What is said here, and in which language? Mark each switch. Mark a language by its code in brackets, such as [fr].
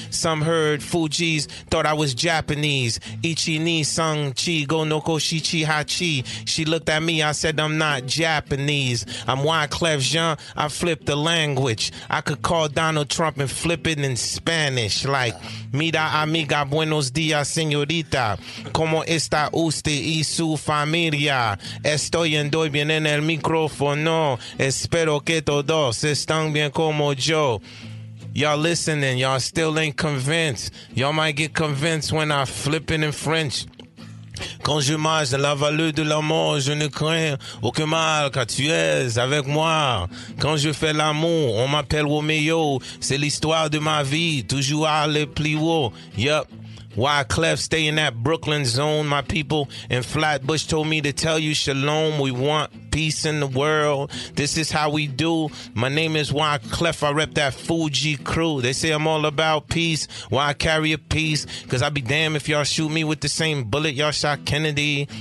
[en] Some heard Fuji's, thought I was Japanese. [ja] Ichi ni sang chi go no ko shi chi ha chi. [en] She looked at me, I said, I'm not Japanese. I'm Wyclef Jean, I flip the language. I could call Donald Trump and flip it in Spanish. [es] Like, mira amiga, buenos dias, señorita. Como esta usted y su familia? Estoy ando bien en el micrófono. Espero que todos están bien como yo. [en] Y'all listening, y'all still ain't convinced. Y'all might get convinced when I flip it in French. [fr] Quand je marche dans la vallée de l'amour, je ne crains aucun mal car tu es avec moi. Quand je fais l'amour, on m'appelle Romeo. C'est l'histoire de ma vie, toujours à le plus haut. [en] Yup. Wyclef, stay in that Brooklyn zone, my people. And Flatbush told me to tell you shalom. We want peace in the world. This is how we do. My name is Wyclef. I rep that Fuji crew. They say I'm all about peace. Why I carry a piece? Because I'd be damned if y'all shoot me with the same bullet y'all shot Kennedy.